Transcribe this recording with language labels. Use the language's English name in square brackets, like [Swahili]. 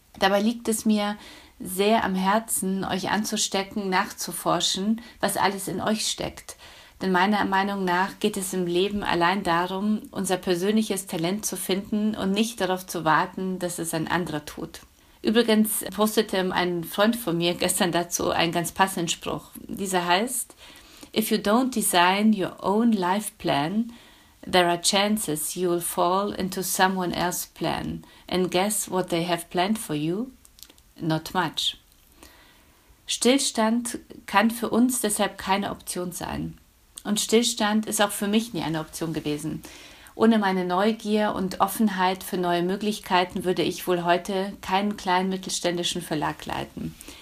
[German] Dabei liegt es mir sehr am Herzen, euch anzustecken, nachzuforschen, was alles in euch steckt. Denn meiner Meinung nach geht es im Leben allein darum, unser persönliches Talent zu finden und nicht darauf zu warten, dass es ein anderer tut. Übrigens postete ein Freund von mir gestern dazu einen ganz passenden Spruch. Dieser heißt: [English] If you don't design your own life plan, there are chances you'll fall into someone else's plan. And guess what they have planned for you? Not much. [German] Stillstand kann für uns deshalb keine Option sein. Und Stillstand ist auch für mich nie eine Option gewesen. Ohne meine Neugier und Offenheit für neue Möglichkeiten würde ich wohl heute keinen kleinen mittelständischen Verlag leiten.